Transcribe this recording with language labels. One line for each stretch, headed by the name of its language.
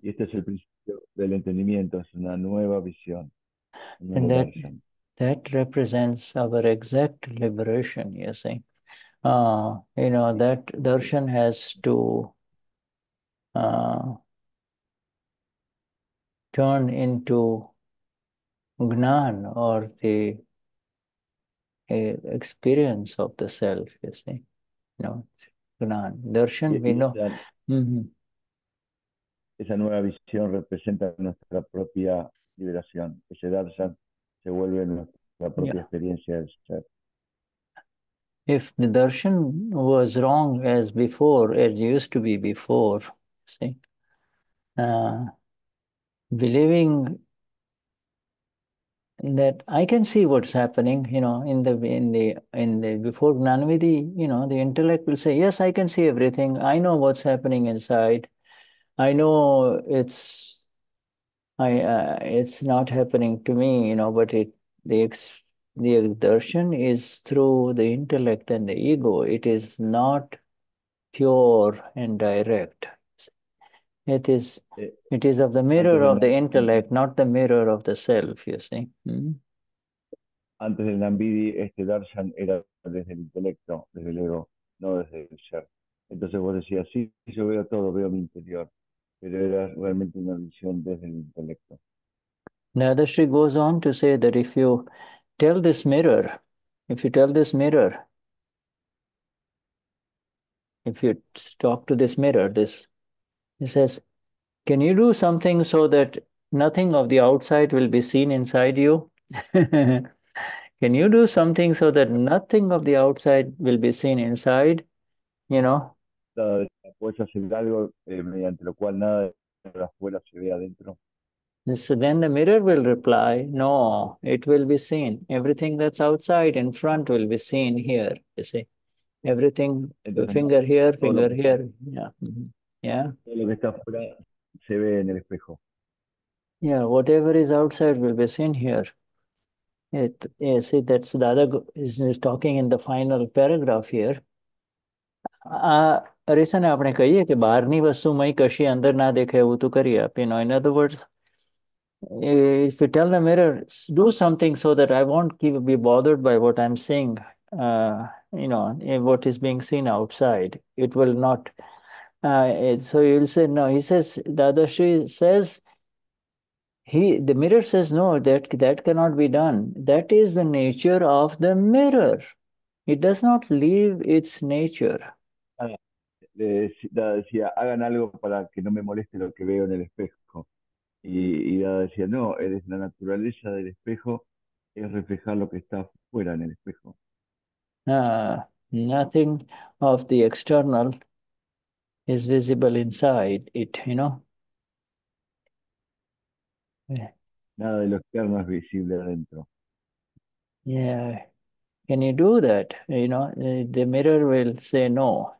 Spanish: y este es el principio del entendimiento, es una nueva visión,
English: and that represents our exact liberation. You see, you know, that darshan has to turn into Gnan, or the experience of the self, you see. No, Gnan. Darshan, we know.
Spanish: Esa nueva visión representa nuestra propia liberación. Ese darshan se vuelve nuestra propia experiencia del ser.
English: If the darshan was wrong as before, as it used to be before, see, believing that I can see what's happening, you know, in the before Gnanavidhi, you know, the intellect will say, yes, I can see everything. I know what's happening inside. I know it's not happening to me, you know, but the darshan is through the intellect and the ego. It is not pure and direct. It is of the mirror of the intellect, not the mirror of the self, you see.
Spanish: Antes del Nambidi, este darshan era desde el intelecto, desde el ego, no desde el ser. Entonces vos decías, sí, yo veo todo, veo mi interior, pero era realmente una visión desde el intelecto.
English: Dadashri goes on to say that if you tell this mirror, if you talk to this mirror, he says, can you do something so that nothing of the outside will be seen inside you? Can you do something so that nothing of the outside will be seen inside? You know?
Spanish: ¿Puedes hacer algo mediante lo cual nada de afuera se vea adentro?
English: So then the mirror will reply, no, it will be seen. Everything that's outside in front will be seen here, you see. Everything, the finger here, finger here. Yeah.
Spanish: Lo que está afuera se ve en el espejo.
English: Yeah, whatever is outside will be seen here. It, you see, that's the other, is talking in the final paragraph here. Recently, we have said that the outside thing will not be seen inside. You know, in other words, if you tell the mirror, do something so that I won't be bothered by what I'm seeing, you know, what is being seen outside, it will not. So you'll say, no, he says, Dadashri says, the mirror says, no, that cannot be done. That is the nature of the mirror. It does not leave its nature.
Spanish: Le decía, hagan algo para que no me moleste lo que veo en el espejo. Y decía, no, es la naturaleza del espejo, es reflejar lo que está fuera en el espejo.
English: Nothing of the external is visible inside it, you know?
Spanish: Nada de lo externo es visible adentro.
English: Yeah. Can you do that? You know, the mirror will say no.